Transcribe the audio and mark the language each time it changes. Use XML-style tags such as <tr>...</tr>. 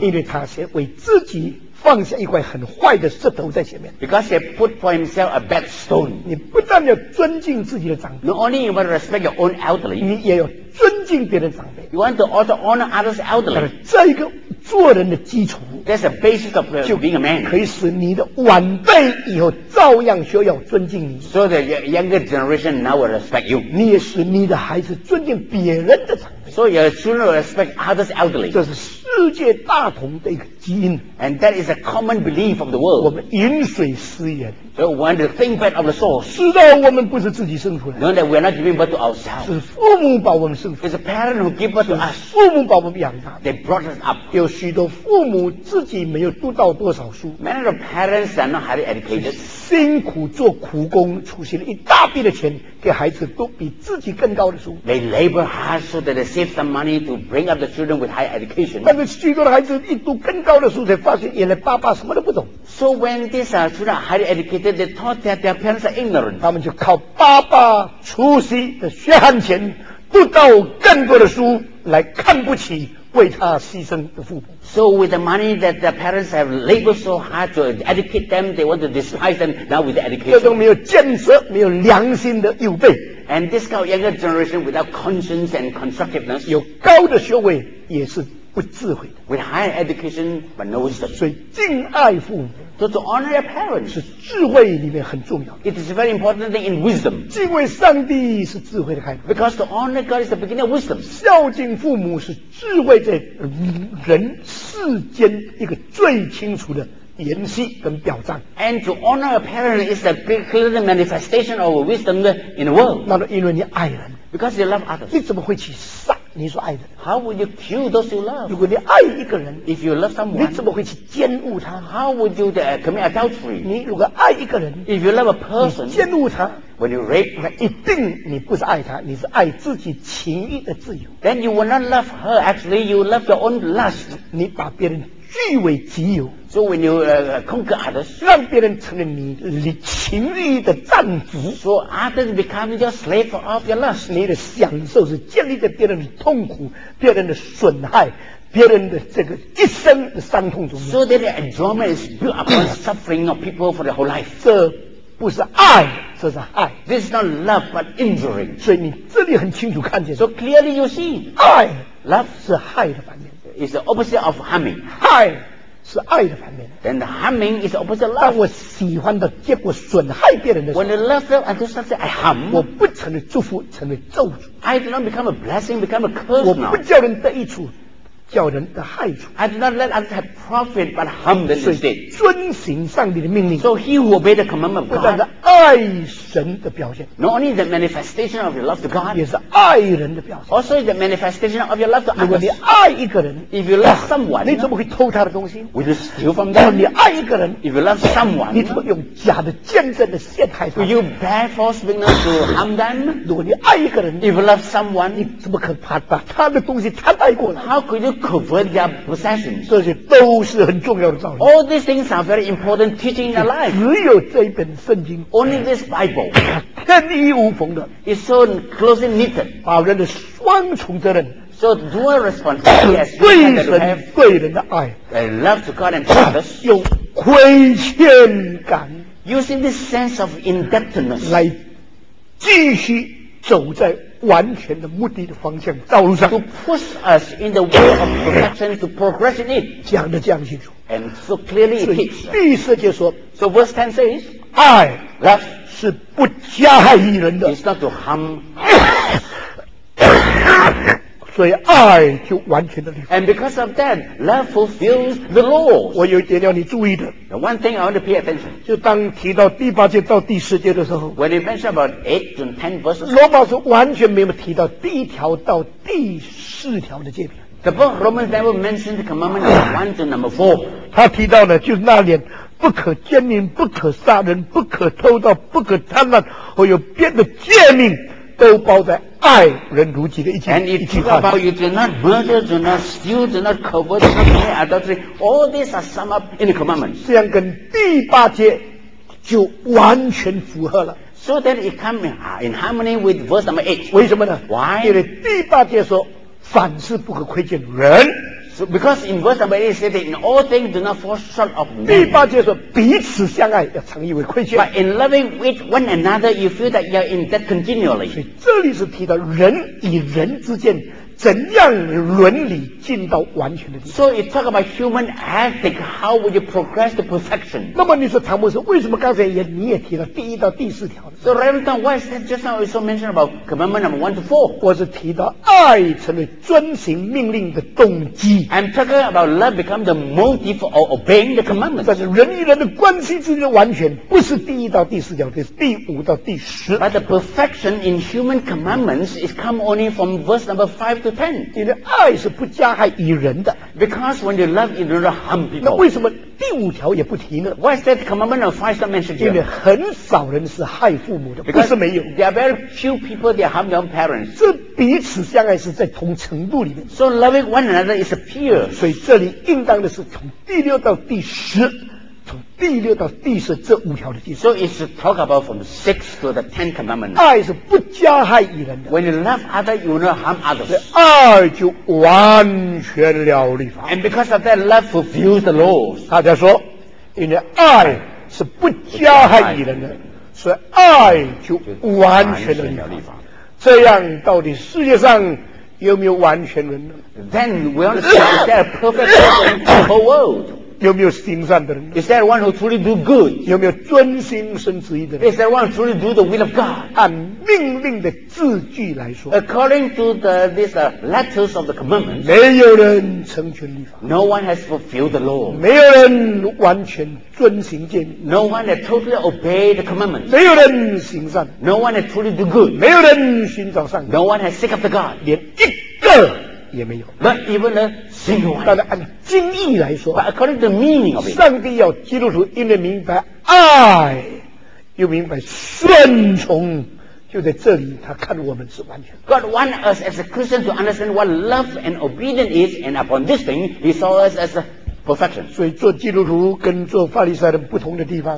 <zh>因为他先为自己放下一块很坏的石头在前面</zh> <en>，Because he put for himself a bad stone.</en> <zh>你不但要尊敬自己的长辈</zh> <en>，Not only you must respect your own elderly,</en> <zh>你也要尊敬别人长辈</zh> <en>，You want to also honor others elderly.</en> <zh>但是这一个做人的基础</zh> <en>，That's a basis of being a man.</en> <zh>可以使你的晚辈以后照样需要尊敬你</zh> <en>，So the younger generation now will respect you.</en> <zh>你也使你的孩子尊敬别人的长辈</zh> <en>，So your children will respect others elderly.</en> <zh>这是世界大同的一个基因。</zh> <en>And that is a common belief of the world.</en> <zh>我们饮水思源。</zh> <en>So when the thing bed of the soul.</en> <zh>知道我们不是自己生出来。</zh> <en>Know that we are not giving birth to ourselves.</en> <zh>是父母把我们生出来。</zh> <en>It's a parent who give birth to us.</en> <zh>父母把我们养大。</zh> <en>They brought us up.</en> <zh>有许多父母自己没有读到多少书。</zh> <en>Many of the parents are not highly educated.</en> <zh>辛苦做苦工，储蓄了一大笔的钱，给孩子读比自己更高的书。</zh> <en>They labor hard so that they save some money to bring up the children with high education.</en> <zh>但是许多的孩子一读更高的书，才发现原来爸爸什么都不懂。</zh> <en>So when these children are highly educated, they thought that their parents are ignorant.</en> <zh>他们就靠爸爸储蓄的血汗钱，读到更多的书，来看不起为他牺牲的父母。</zh> <en>So with the money that their parents have labored so hard to educate them, they want to despise them now with the education.</en> <zh>这种没有建设、没有良心的幼辈。</zh> <en>And this kind of younger generation without conscience and constructiveness.</en> <zh>有高的学位也是不智慧的。</zh> <en>With high education but no wisdom.</en> <zh>所以敬爱父母。</zh> <en>So to honor your parents.</en> <zh>是智慧里面很重要的。</zh> <en>It is very important thing in wisdom.</en> <zh>敬畏上帝是智慧的开始。</zh> <en>Because to honor God is the beginning of wisdom.</en> <zh>孝敬父母是智慧在人世间一个最清楚的言析跟表彰。</zh> <en>And to honor a parent is the clear manifestation of wisdom in the world.</en> <zh>那么因为你爱人。</zh> <en>Because you love others.</en> <zh>你怎么会去杀你所爱的？</zh> <en>How would you kill those you love?</en> <zh>如果你爱一个人，</zh> <en>if you love someone，</en> <zh>你怎么会去奸污他？</zh> <en>How would you commit adultery?</en> <zh>你如果爱一个人，</zh> <en>if you love a person，</en> <zh>你奸污他，</zh> <en>when you rape，</en> <zh>那一定你不是爱他，你是爱自己情欲的自由。</zh> <en>Then you will not love her. Actually, you love your own lust.</en> <zh>你把别人据为己有。</zh> <en>So when you conquer others，</en> <zh>让别人成了你情欲的战俘。</zh> <en>So others become your slave of your lust。</en> <zh>你的享受是建立在别人的痛苦、别人的损害、别人的这个一生的伤痛中。</zh> <en>So that the enjoyment is built upon the suffering of people for their whole life。</en> <zh>这不是爱，这是害。</zh> <en>This is not love but injury。</en> <zh>所以你这里很清楚看见。</zh> <en>So clearly you see，</en> <zh>爱</zh> <en>，love</en> <zh>是害的反面。</zh> <en>Is the opposite of harming。</en> <zh>害是爱的反面。</zh> <en>Then the harming is the opposite of love.</en> <zh>当我喜欢的结果损害别人的时候，</zh> <en>when I love them and do something I harm,</en> <zh>我不成了祝福，成了咒诅。</zh> <en>I do not become a blessing, become a curse.</en> <zh>我不叫人得益处，叫人得害处。</zh> <en>I do not let others have profit, but harm them instead.</en> <zh>遵行上帝的命令。</zh> <en>So he who obeyed the commandment of God.</en> <zh>不但是爱神的表现。</zh> <en>Not only the manifestation of your love to God.</en> <zh>也是爱人的表现。</zh> <en>Also is the manifestation of your love to others.</en> <zh>如果你爱一个人，</zh> <en>if you love someone,</en> <zh>你怎么会偷他的东西？</zh> <en>Will you steal from them?</en> <zh>你爱一个人，</zh> <en>if you love someone,</en> <zh>你怎么用假的见证的陷害他？</zh> <en>Will you bear false witness to harm them?</en> <zh>如果你爱一个人，</zh> <en>if you love someone,</en> <zh>你怎么可怕把他的东西贪带过来？</zh> <en>How could you covet their possessions?</en> <zh>这些都是很重要的道理。</zh> <en>All these things are very important teaching in life.</en> <zh>只有这一本圣经，</zh> <en>only this Bible,</en> <zh>天衣无缝的，</zh> <en>is so closely knitted.</en> <zh>把人的双重责任，</zh> <en>so dual responsibility,</en> <zh>对神对人的爱，</zh> <en>and love to God and to others,</en> <zh>用亏欠感，</zh> <en>using this sense of indebtedness,</en> <zh>来继续走在完全的目的的方向道路上，</zh> <en>to push us in the way of perfection, to progress in it.</en> <zh>讲得这样清楚，</zh> <en>and so clearly it hits.</en> <zh>第四节说，</zh> <en>so verse 10 says,</en> <zh>爱</zh> <en>love</en> <zh>是不加害于人的，</zh> <en>it's not to harm.</en> <zh>所以爱就完全的立法。</zh> <en>And because of that, love fulfills the laws.</en> <zh>我有一点要你注意的。</zh> <en>The one thing I want to pay attention.</en> <zh>就当提到第八节到第十节的时候，</zh> <en>when you mention about 8 to 10 verses,</en> <zh>罗马书完全没有提到第一条到第四条的诫命。</zh> <en>The book of Romans never mentioned the commandment of 1 to number 4.</en> <zh>他提到的就是那年不可奸淫，不可杀人，不可偷盗，不可贪婪，还有别的诫命都包在爱人如己的一句话。</zh> <en>And it talks about you do not murder, do not steal, do not covet, do not commit adultery. All these are summed up in the commandments.</en> <zh>这样跟第八节就完全符合了。</zh> <en>So that it comes in harmony with verse number 8.</en> <zh>为什么呢？</zh> <en>Why?</en> <zh>因为第八节说凡事不可亏欠人。</zh> <en>So because in verse number 8 it says that in all things do not fall short of men.</en> <zh>第八节说彼此相爱要常以为亏欠。</zh> <en>But in loving with one another, you feel that you are in debt continually.</en> <zh>所以这里是提到人与人之间怎样伦理进到完全的地步。</zh> <en>So you talk about human ethic, how would you progress to perfection?</en> <zh>那么你说唐博士为什么刚才也你也提了第一到第四条。</zh> <en>So Reverend Tom, why is that just now you so mentioned about commandment number one to four?</en> <zh>我是提到爱成为遵行命令的动机。</zh> <en>I'm talking about love become the motive of obeying the commandments.</en> <zh>但是人与人的关系之间完全不是第一到第四条，这是第五到第十。</zh> <en>But the perfection in human commandments is come only from verse number five to ten.</en> <zh>你的爱是不加害于人的。</zh> <en>Because when you love, you don't harm people.</en> <zh>那为什么第五条也不提呢？</zh> <en>Why is that commandment of five not mentioned here?</en> <zh>因为很少人是害父母的，不是没有。</zh> <en>There are very few people that harm their own parents.</en> <zh>这彼此相爱是在同程度里面。</zh> <en>So loving one another is a peer.</en> <zh>所以这里应当的是从第六到第十，从第六到第十这五条的基础。</zh> <en>So it's talk about from six to the ten commandments.</en> <zh>爱是不加害于人的。</zh> <en>When you love others, you will not harm others.</en> <zh>爱就完全了律法。</zh> <en>And because of that, love fulfills the laws.</en> <zh>大家说，因为爱是不加害于人的，所以爱就完全了律法。这样到底世界上有没有完全人呢？</zh> <en>Then we understand that a perfect person in the whole world.</en> <zh>有没有行善的人？</zh> <en>Is there one who truly do good?</en> <zh>有没有遵心生旨意的人？</zh> <en>Is there one who truly do the will of God?</en> <zh>按命令的字句来说，</zh> <en>According to these letters of the commandments,</en> <zh>没有人成全律法。</zh> <en>No one has fulfilled the law.</en> <zh>没有人完全遵行诫命。</zh> <en>No one has totally obeyed the commandments.</en> <zh>没有人行善。</zh> <en>No one has truly do good.</en> <zh>没有人寻找善。</zh> <en>No one has seek after God.</en> <zh>连一个也没有。</zh> <en>But even a single one.</en> <zh>但是按经义来说，</zh> <en>But according to the meaning of it,</en> <zh>上帝要基督徒因为明白爱又明白顺从，就在这里他看我们是完全。</zh> <en>God wants us as a Christian to understand what love and obedience is, and upon this thing he saw us as a perfection.</en> <zh>所以做基督徒跟做法利赛人不同的地方，</zh>